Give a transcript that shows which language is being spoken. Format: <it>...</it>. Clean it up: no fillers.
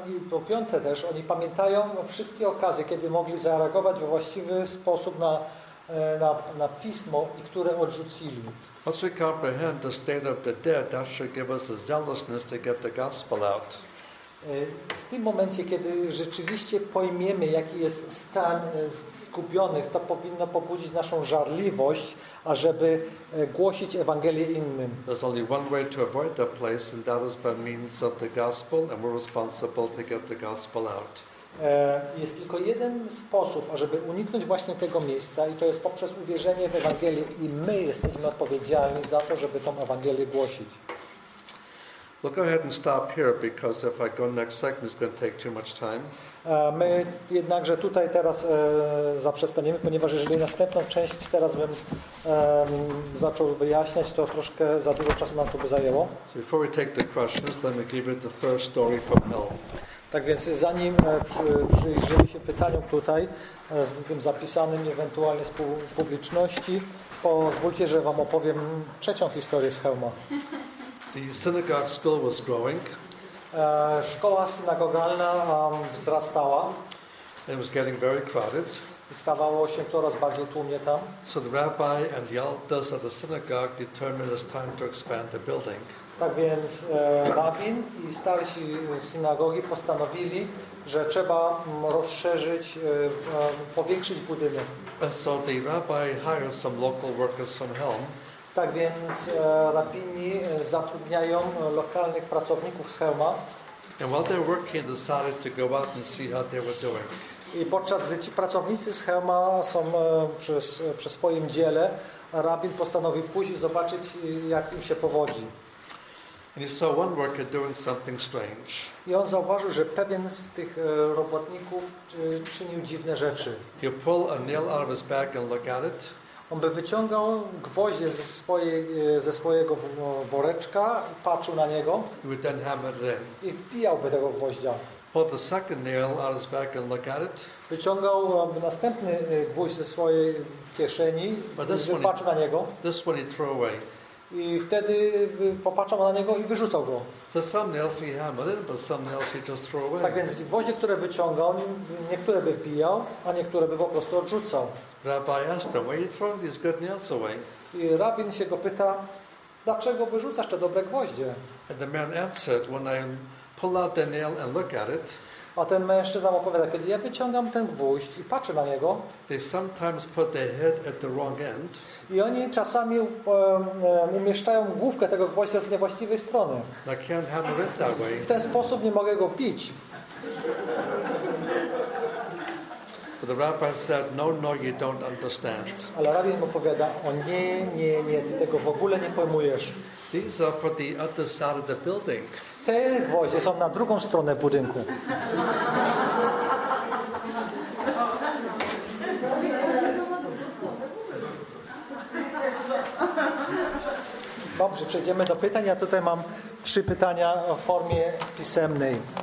<pl>Po piąte też, oni pamiętają wszystkie okazje, kiedy mogli zareagować we właściwy sposób na pismo i które odrzucili.</pl> <en>Once we comprehend the state of the dead, that should give us the zealousness to get the gospel out.</en> <pl>W tym momencie, kiedy rzeczywiście pojmiemy, jaki jest stan zgubionych, to powinno pobudzić naszą żarliwość, ażeby głosić Ewangelię innym.</pl> <en>There's only one way to avoid that place, and that is by means of the gospel, and we're responsible to get the gospel out.</en> <pl>Jest tylko jeden sposób, ażeby uniknąć właśnie tego miejsca i to jest poprzez uwierzenie w Ewangelię i my jesteśmy odpowiedzialni za to, żeby tą Ewangelię głosić.</pl> <en>Look ahead and stop here because if I go next segment it's going to take too much time.</en> <pl>My jednakże tutaj teraz zaprzestaniemy, ponieważ jeżeli następną część teraz bym zaczął wyjaśniać, to troszkę za dużo czasu nam to by zajęło.</pl> <en>So before we take the questions, let me give you the third story from hell.</en> <pl>Tak więc zanim przyjrzymy się pytaniom tutaj, z tym zapisanym ewentualnie z publiczności, pozwólcie, że wam opowiem trzecią historię z Chełma.</pl> <en>The synagogue school was growing.</en> <pl>Szkoła synagogalna wzrastała.</pl> <en>It was getting very crowded.</en> <pl>I stawało się coraz bardziej tłumnie tam.</pl> <en>So the rabbi and the elders of the synagogue determined it's time to expand the building.</en> <pl>Tak więc rabin i starsi synagogi postanowili, że trzeba rozszerzyć, powiększyć budynek.</pl> <en>So the rabbi hired some local workers from Helm.</en> <pl>Tak więc rabini zatrudniają lokalnych pracowników z Chełma.</pl> <en>And while they were working, they decided to go out and see how they were doing.</en> <pl>I podczas gdy ci pracownicy z Chełma są przy swoim dziele, rabin postanowił pójść i zobaczyć, jak im się powodzi.</pl> <en>And he saw one worker doing something strange.</en> <pl>I on zauważył, że pewien z tych robotników czynił dziwne rzeczy.</pl> <en>He pulled a nail out of his bag and looked at it.</en> <pl>On by wyciągał gwoździe ze swojego woreczka i patrzył na niego.</pl> <en>He would then hammer it in.</en> <pl>I wbijałby tego gwoździa.</pl> <en>Pulled the second nail out of his bag and looked at it.</en> <pl>Wyciągał następny gwóźdź ze swojej kieszeni i patrzył na niego.</pl> <en>This one he threw away.</en> <pl>I wtedy popatrzał na niego i wyrzucał go.</pl> <en>So some nails he hammered, but some nails he just threw away.</en> <pl>Tak więc gwoździe, które wyciągał, niektóre by wbijał, a niektóre by po prostu odrzucał.</pl> <en>Rabbi asked him, why are you throwing these good nails away?</en> <pl>I rabin się go pyta, dlaczego wyrzucasz te dobre gwoździe?</pl> <en>And the man answered, when I pull out the nail and look at it.</en> <pl>A ten mężczyzna opowiada, kiedy ja wyciągam ten gwóźdź i patrzę na niego.</pl> <en>They sometimes put their head at the wrong end.</en> <pl>I oni czasami umieszczają główkę tego gwoździa z niewłaściwej strony.</pl> <en>I can't hammer it that way.</en> <pl>W ten sposób nie mogę go bić.</pl> <en>But the rabbi said, no, no, you don't understand.</en> <pl>Ale rabin opowiada, o nie, nie, nie, ty tego w ogóle nie pojmujesz.</pl> <en>These are for the other side of the building.</en> <pl>Te gwoździe są na drugą stronę budynku. Dobrze, przejdziemy do pytań. Ja tutaj mam trzy pytania w formie pisemnej.</pl>